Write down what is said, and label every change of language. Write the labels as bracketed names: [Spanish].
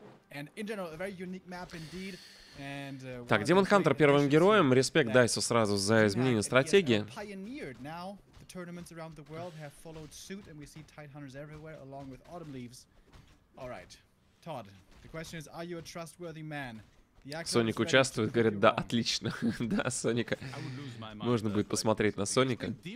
[English] And in general, a very unique map indeed. And, [Russian] так, Demon Hunter первым героем. Респект Дайсу сразу за изменение стратегии. [English] Pioneered now. The tournaments around the world have followed suit, and we see Tide Hunters everywhere, along with Autumn Leaves. All right, Todd. The question is, are you a trustworthy man? [Russian] Соник участвует, говорит, да, отлично. Да, Соника. Можно будет посмотреть на Соника.